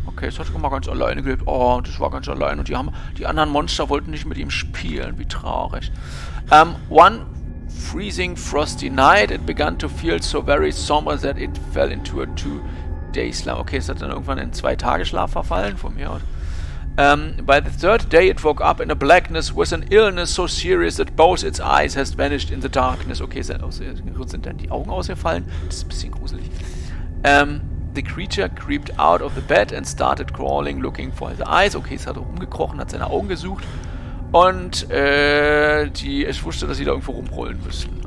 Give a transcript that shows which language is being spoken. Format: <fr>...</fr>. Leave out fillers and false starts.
<de>Okay, es hat schon mal ganz alleine gelebt. Oh, das war ganz allein. Und die anderen Monster wollten nicht mit ihm spielen. Wie traurig.</de> <en>One freezing frosty night, it began to feel so very somber that it fell into a two-day slumber.</en> <de>Okay, es hat dann irgendwann in zwei Tage Schlaf verfallen von mir aus.</de> <en>By the third day it woke up in a blackness with an illness so serious that both its eyes has vanished in the darkness.</en> <de>Okay, sind dann die Augen ausgefallen? Das ist ein bisschen gruselig.</de> <en>The creature creeped out of the bed and started crawling looking for his eyes.</en> <de>Okay, es hat rumgekrochen, hat seine Augen gesucht. Und es wusste, dass sie da irgendwo rumrollen müssten.</de>